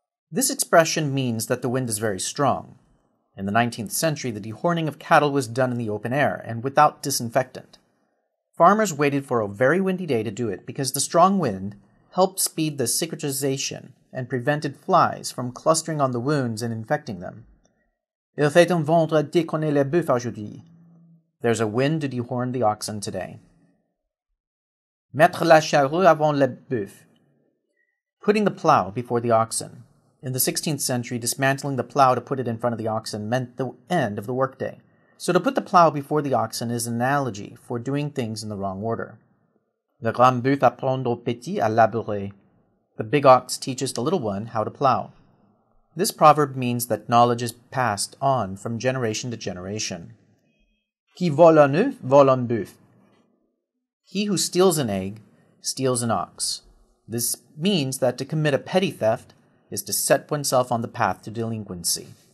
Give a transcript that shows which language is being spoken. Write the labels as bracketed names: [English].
[English] This expression means that the wind is very strong. In the 19th century, the dehorning of cattle was done in the open air and without disinfectant. Farmers waited for a very windy day to do it because the strong wind helped speed the cicatrization and prevented flies from clustering on the wounds and infecting them. [French] Il fait un vent à déconner les bœufs aujourd'hui. [English] There's a wind to dehorn the oxen today. [French] Mettre la charrue avant le bœuf. [English] Putting the plow before the oxen. In the 16th century, dismantling the plow to put it in front of the oxen meant the end of the workday. So to put the plow before the oxen is an analogy for doing things in the wrong order. [French] Le grand bœuf apprend au petit à labourer. [English] The big ox teaches the little one how to plow. This proverb means that knowledge is passed on from generation to generation. [French] Qui vole un œuf, vole un bœuf. [English] He who steals an egg, steals an ox. This means that to commit a petty theft is to set oneself on the path to delinquency.